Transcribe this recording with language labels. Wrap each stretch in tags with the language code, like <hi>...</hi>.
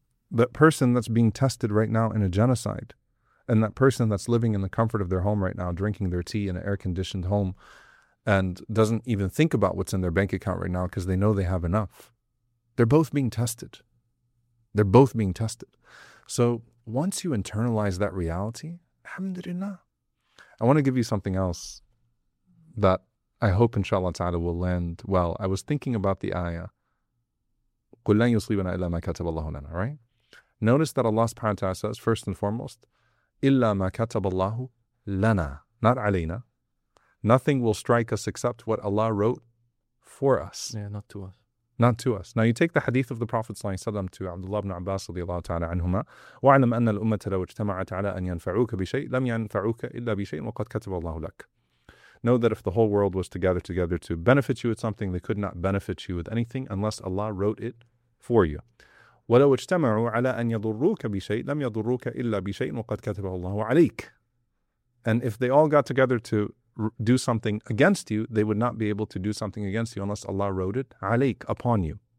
<en>That person that's being tested right now in a genocide, and that person that's living in the comfort of their home right now, drinking their tea in an air-conditioned home, and doesn't even think about what's in their bank account right now because they know they have enough, they're both being tested. They're both being tested. So once you internalize that reality, alhamdulillah, I want to give you something else that I hope inshallah ta'ala will land well. I was thinking about the ayah,</en> <ar>قُلْ لَنْ يُصْلِبَنَا إِلَّا مَا كَتَبَ اللَّهُ لَنَا,</ar> <en>right? Notice that Allah subhanahu wa ta'ala says, first and foremost,</en> <ar>إِلَّا مَا كَتَبَ اللَّهُ لَنَا,</ar> <en>not</en> <ar>عَلَيْنَا.</ar> <en>Nothing will strike us except what Allah wrote for us. Yeah, not to us. Not to us. Now you take the hadith of the Prophet ﷺ to Abdullah ibn Abbas radiallahu ta'ala anhuma,</en> <ar>وَعْلَمْ أَنَّ الْأُمَّةَ لَوْ اجْتَمَعَتْ عَلَىٰ أَنْ يَنْفَعُوكَ بِشَيْءٍ لَمْ يَنْفَعُوكَ إِلَّا بِشَيْءٍ وَقَدْ كَتَبَ اللَّهُ لَكَ.</ar> <en>Know that if the whole world was to gather together to benefit you with something, they could not benefit you with anything unless Allah wrote it for you.</en> <ar>وَلَوْ اجْتَمَعُوا عَلَىٰ أَنْ يَضُرُّوكَ بِشَيْءٍ لَمْ يَضُرُّوكَ إِلَّا بِشَيْءٍ وَقَدْ كَتَبَ اللَّهُ عَلَيْكَ.</ar> <en>And if they all got together to do something against you, they would not be able to do something against you unless Allah wrote it</en> <ar>عليك,</ar> <en>upon you.</en>